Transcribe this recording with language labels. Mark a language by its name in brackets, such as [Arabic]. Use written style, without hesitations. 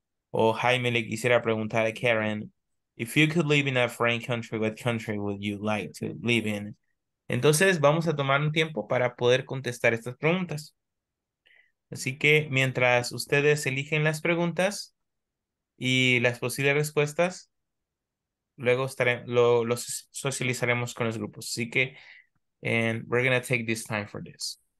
[Spanish] O Jaime le quisiera preguntar a Karen, [English] if you could live in a foreign country, what country would you like to live in? [Spanish] Entonces, vamos a tomar un tiempo para poder contestar estas preguntas. Así que, mientras ustedes eligen las preguntas y las posibles respuestas, luego los socializaremos con los grupos. Así que, [English] and we're going to take this time for this.